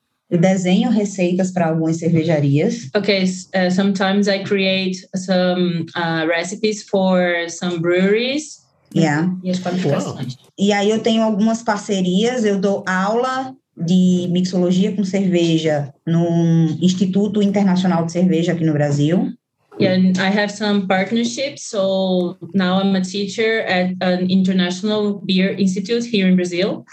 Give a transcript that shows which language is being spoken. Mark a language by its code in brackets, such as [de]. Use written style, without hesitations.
[pt] Eu desenho receitas para algumas cervejarias. [en] Okay, sometimes I create some recipes for some breweries. Yeah. [pt] E as qualificações. E aí eu tenho algumas parcerias, eu dou aula de mixologia com cerveja num Instituto Internacional de Cerveja aqui no Brasil. [en] And I have some partnerships, so now I'm a teacher at an international beer institute here in Brazil.